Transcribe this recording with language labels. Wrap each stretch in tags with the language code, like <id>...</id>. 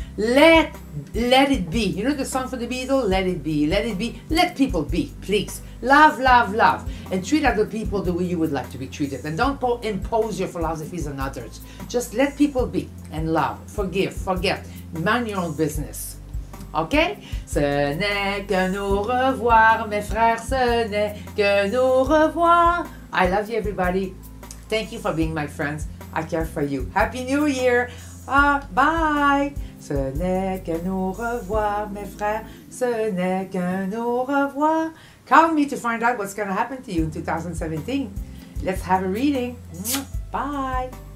<en>Let it be. You know the song for the Beatles? Let it be, let it be. Let people be, please. Love, love, love. And treat other people the way you would like to be treated. And don't impose your philosophies on others. Just let people be and love. Forgive, forget. Mind your own business. Okay?</en> <fr>Ce n'est que nous revoir, mes frères. Ce n'est que nous revoir.</fr> <en>I love you, everybody. Thank you for being my friends. I care for you. Happy New Year. Bye.</en> <fr>Ce n'est que nous revoir, mes frères. Ce n'est que nous revoir.</fr> <en>Call me to find out what's going to happen to you in 2017. Let's have a reading. Bye.</en>